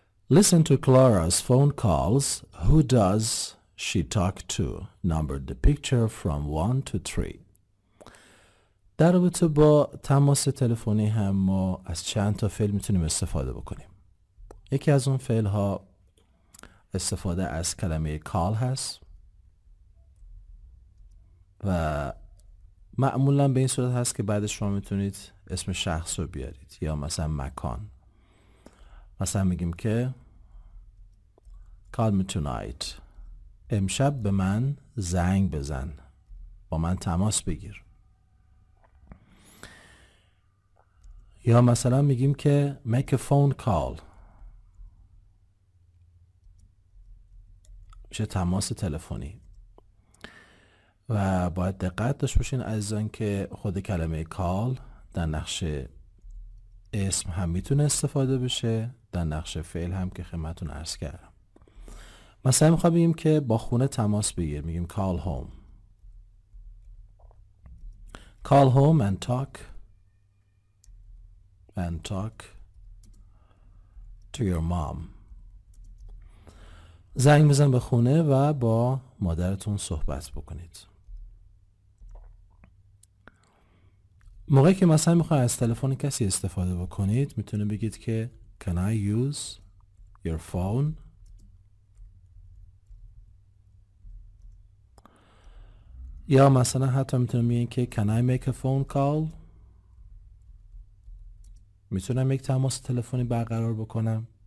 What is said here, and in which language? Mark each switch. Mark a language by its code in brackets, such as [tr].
[en] Listen to Clara's phone calls. Who does she talk to? Number the picture from 1 to 3. [fa] در رابطه با تماس تلفنی هم ما از چند تا فعل میتونیم استفاده بکنیم. یکی از اون فعل ها استفاده از کلمه call هست و معمولا به این صورت هست که بعدش شما میتونید اسم شخص رو بیارید یا مثلا مکان. مثلا میگیم که [en] Call me tonight. [fa] امشب به من زنگ بزن. با من تماس بگیر. یا مثلا میگیم که [en] make a phone call. [fa] میشه تماس تلفنی. و باید دقت داشت باشین عزیزان که خود کلمه call در نقش اسم هم میتونه استفاده بشه، در نقش فعل هم که خدمتتون عرض کردم. مثلا میخواه بگیم که با خونه تماس بگیر، میگیم [en] call home. Call home and talk to your mom. [fa] زنگ بزن به خونه و با مادرتون صحبت بکنید. موقعی که مثلا میخواه از تلفن کسی استفاده بکنید میتونه بگید که [en] Can I use your phone؟ [fa] یا مثلا حتی میتونم بگم که [en] Can I make a phone call؟ [fa] میتونم یک تماس تلفنی برقرار بکنم.